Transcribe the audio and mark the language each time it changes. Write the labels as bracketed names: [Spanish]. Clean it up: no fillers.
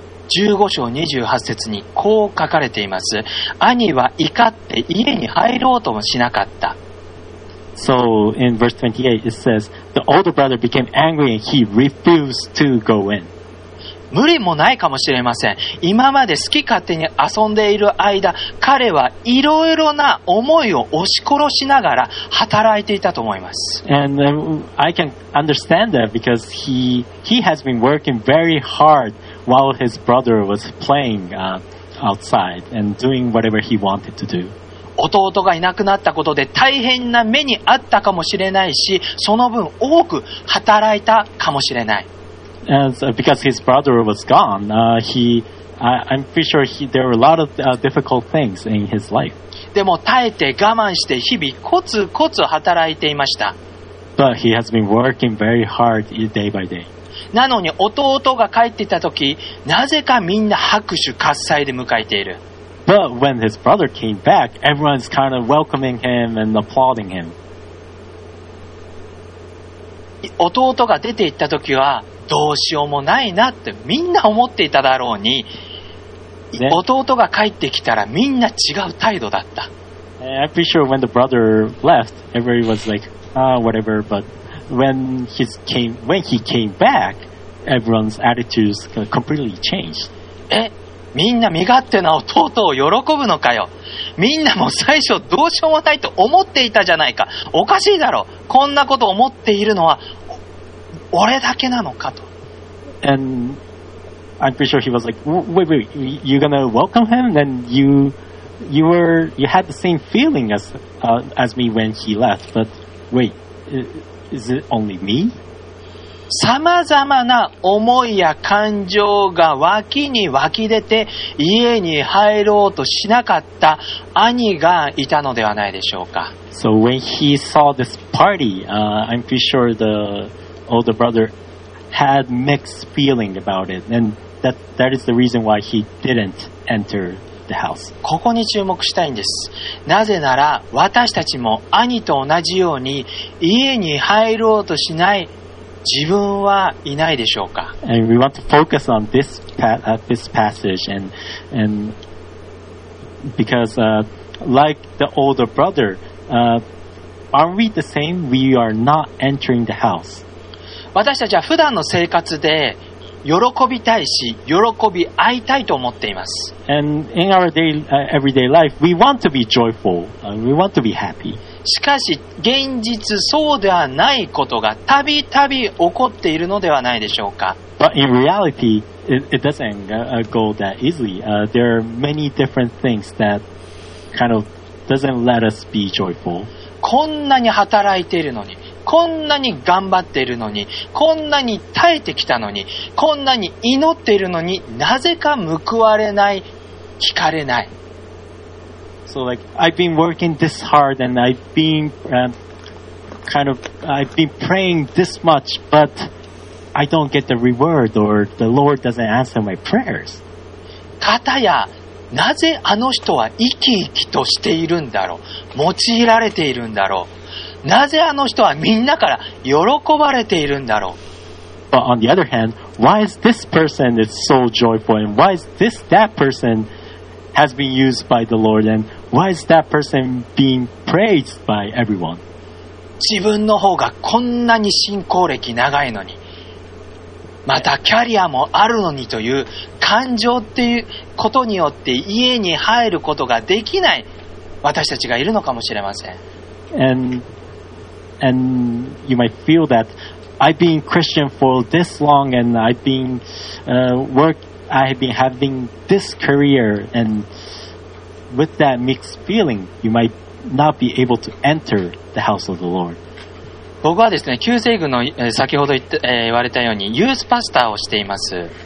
[Japanese] 15章28節にこう書かれています。兄は怒って家に入ろうともしなかった。 [English] So in verse 28 it says the older brother became angry and he refused to go in. [Japanese] 無理もないかもしれません。今まで好き勝手に遊んでいる間、彼はいろいろな思いを押し殺しながら働いていたと思います。 [English] And I can understand that because he has been working very hardWhile his brother was playing, outside and doing whatever he wanted to do. [Japanese] 弟がいなくなったことで大変な目にあったかもしれないし、その分多く働いたかもしれない。 [English] And so because his brother was gone, I'm pretty sure there were a lot of, difficult things in his life. [Japanese] でも耐えて我慢して日々コツコツ働いていました。 [English] But he has been working very hard day by day. [Japanese] なのに弟が帰っていたとき、なぜかみんな拍手喝采で迎えている。 [English] But when his brother came back, everyone's kind of welcoming him and applauding him. [Japanese] 弟が出て行ったときは、どうしようもないなってみんな思っていただろうに、 [English] Then, [Japanese] 弟が帰ってきたらみんな違う態度だった。 [English] I'm pretty sure when the brother left, everybody was like, whatever, but... When he came back, everyone's attitudes completely changed. [Japanese] みんな身勝手な弟を喜ぶのかよ。みんなも最初どうしようもないと思っていたじゃないか。おかしいだろ。こんなこと思っているのは俺だけなのかと。 [English] And I'm pretty sure he was like, wait, you're gonna welcome him? Then you had the same feeling as me when he left, but wait. Is it only me? [Japanese] さまざまな思いや感情が脇に湧き出て家に入ろうとしなかった兄がいたのではないでしょうか。 [English] So when he saw this party, I'm pretty sure the older brother had mixed feeling about it, and that is the reason why he didn't enter. [Japanese] ここに注目したいんです。なぜなら私たちも兄と同じように家に入ろうとしない自分はいないでしょうか。 [English] And we want to focus on this passage and because like the older brother, aren't we the same? We are not entering the house. [Japanese] 私たちは普段の生活で喜びたいし喜び合いたいと思っています。 [English] And in our day, everyday life, we want to be joyful, we want to be happy. [Japanese] しかし現実そうではないことがたびたび起こっているのではないでしょうか。 [English] But in reality, it doesn't go that easily. There are many different things that kind of doesn't let us be joyful. [Japanese] こんなに働いているのに、こんなに頑張っているのに、こんなに耐えてきたのに、こんなに祈っているのに、なぜか報われない、聞かれない。 [English] So like I've been working this hard and I've been kind of I've been praying this much, but I don't get the reward or the Lord doesn't answer my prayers. [Japanese] かたやなぜあの人は生き生きとしているんだろう、用いられているんだろう、なぜあの人はみんなから喜ばれているんだろう。 [English] But on the other hand, why is this person is so joyful, and why is this that person has been used by the Lord, and why is that person being praised by everyone? [Japanese] 自分の方がこんなに信仰歴長いのに、またキャリアもあるのにという感情っていうことによって家に入ることができない私たちがいるのかもしれません。 [English] And you might feel that I've been Christian for this long and I've been I have been having this career, and with that mixed feeling, you might not be able to enter the house of the Lord. [Japanese] 僕はですね、救世軍の先ほど言われたようにユースパスターをしています。